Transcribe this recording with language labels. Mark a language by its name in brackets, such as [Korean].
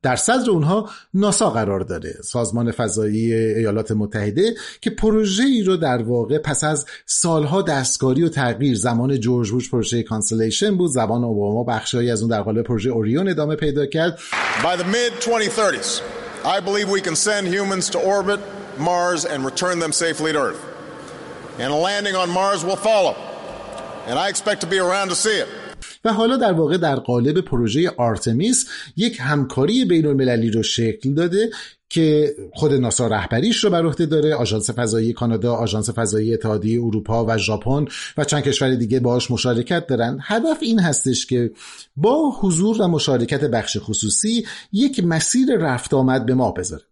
[Persian] در صدر اونها ناسا قرار داره، سازمان فضایی ایالات متحده، که پروژه‌ای رو در واقع پس از سالها دستکاری و تغییر، زمان جورج بوش پروژه کانسلیشن بود، زمان اوباما بخشی از اون در قالب پروژه اوریون ادامه پیدا کرد. [English] By the mid-2030s. I believe we can send humans to orbit Mars and return them safely to Earth. And a landing on Mars will follow. And I expect to be around to see it. [Persian] و حالا در واقع در قالب پروژه آرتمیس یک همکاری بین‌المللی رو شکل داده که خود ناسا رهبریش رو بر عهده داره، آژانس فضایی کانادا، آژانس فضایی اتحادیه اروپا و ژاپن و چند کشور دیگه باهاش مشارکت دارن. هدف این هستش که با حضور و مشارکت بخش خصوصی یک مسیر رفت آمد به ماه بذاره.